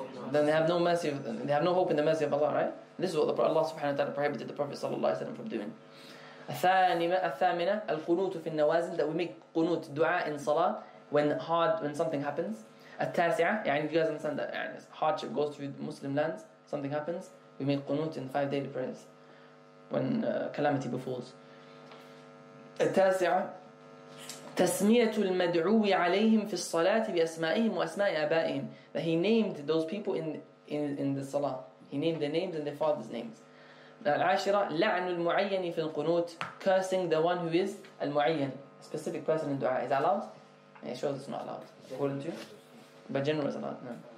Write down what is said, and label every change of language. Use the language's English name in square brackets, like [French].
[English] Then they have no mercy. They have no hope in the mercy of Allah, right? This is what Allah subhanahu wa taala prohibited the Prophet sallallahu alaihi wasallam from doing. [Arabic] الثامنة القنوت في النوازل, [English] that we make قنوت dua in salah when something happens. التاسعة, يعني you guys understand that, يعني hardship goes through the Muslim lands, something happens, we make قنوت in 5 daily prayers. When calamity befalls. [Arabic] التاسعة تسمية المدعو عليهم في الصلاة بأسمائهم وأسماء آبائهم, [English] that he named those people in the salah. He named their names and their father's names. [Arabic] العاشرة لعن المعين في القنوت, [English] cursing the one who is [Arabic] المعين. [English] A specific person in dua is allowed. Yeah, it shows it's not allowed according to you, but general is allowed. No.